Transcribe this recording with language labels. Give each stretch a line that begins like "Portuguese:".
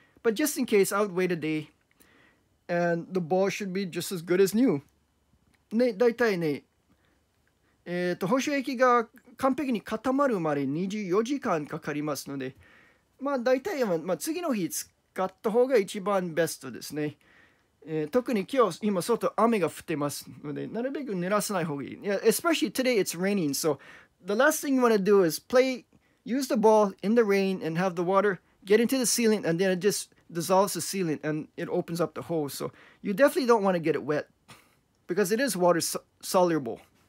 English: But just in case, I would wait a day. And the ball should be just as good as new.
Japanese: ね、大体ね、保守液が完璧に固まるまで24時間かかりますので、まあ大体、まあ、次の日使って買った方が一番ベストですね。特に今外雨が降ってますので、なるべく濡らさない方がいい。
English: Yeah, especially today it's raining, so the last thing you want to do is use the ball in the rain and have the water get into the sealant and then it just dissolves the sealant and it opens up the hole. So you definitely don't want to get it wet because it is water soluble.